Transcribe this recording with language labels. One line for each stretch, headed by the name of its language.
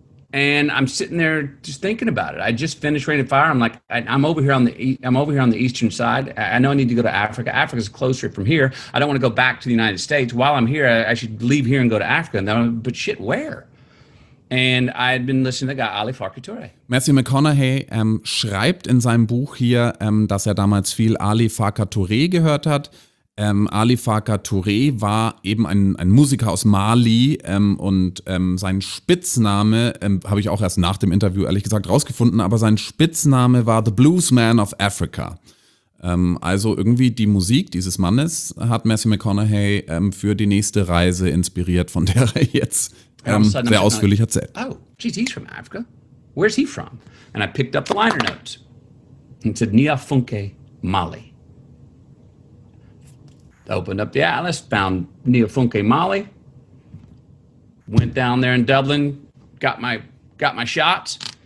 English: And I'm sitting there just thinking about it. I just finished Rain of Fire. I'm like, I'm over here on the eastern side. I know I need to go to Africa. Africa's closer from here. I don't want to go back to the United States. While I'm here, I should leave here and go to Africa. And then I'm like, but shit, where? And I had been listening to the guy, Ali Farkatore.
German: Matthew McConaughey schreibt in seinem Buch hier, dass damals viel Ali Farkatore gehört hat. Ali Farkatore war eben ein Musiker aus Mali und sein Spitzname, habe ich auch erst nach dem Interview ehrlich gesagt rausgefunden, aber sein Spitzname war The Blues Man of Africa. Also irgendwie die Musik dieses Mannes hat Matthew McConaughey für die nächste Reise inspiriert, von der er jetzt sehr ausführlich erzählt.
English: Oh, geez, he's from Africa. Where's he from? And I picked up the liner notes and said, Niafunke, Mali. Opened up the atlas, found Niafunke, Mali. Went down there in Dublin, got my shots.